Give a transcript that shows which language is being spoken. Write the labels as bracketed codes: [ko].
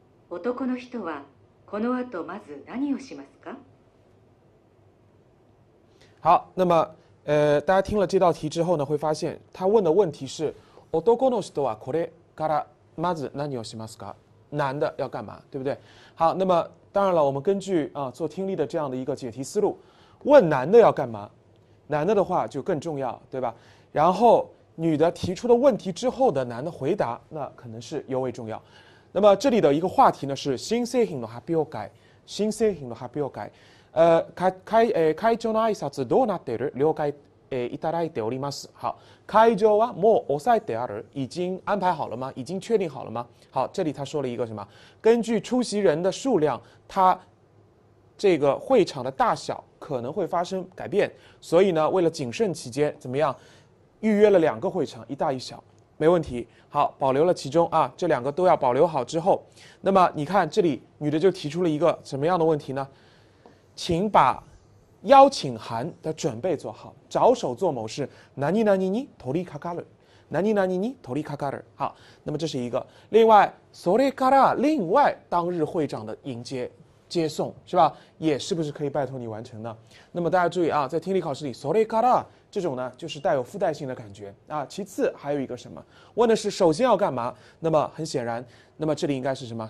[ja] 男の人はこの後まず何をしますか？ [zh] 好，那么，大家听了这道题之后呢，会发现他问的问题是 [ja] 男の人はこれからまず何をしますか？ [zh] 男的要干嘛，对不对？好，那么当然了，我们根据做听力的这样的一个解题思路，问男的要干嘛？男的的话就更重要，对吧？然后女的提出的问题之后的男的回答，那可能是尤为重要。那么这里的一个话题呢是 [ja] 新製品の発表会，新製品の発表会。会長の挨拶どうなっている？了解いただいております。好，会場はもう押さえてある？ [zh] 已经安排好了吗？已经确定好了吗？好，这里他说了一个什么？根据出席人的数量，他这个会场的大小可能会发生改变，所以呢，为了谨慎起见，怎么样？预约了两个会场，一大一小，没问题。好，保留了其中啊，这两个都要保留好之后，那么你看这里女的就提出了一个什么样的问题呢？请把邀请函的准备做好，着手做某事。 [ja] 何々に取りかかる，何々に取りかかる。 [zh] 好，那么这是一个。另外，それから另外当日会长的迎接接送是吧？也是不是可以拜托你完成呢？那么大家注意啊，在听力考试里，それから这种呢就是带有附带性的感觉啊。其次还有一个什么？问的是首先要干嘛？那么很显然，那么这里应该是什么？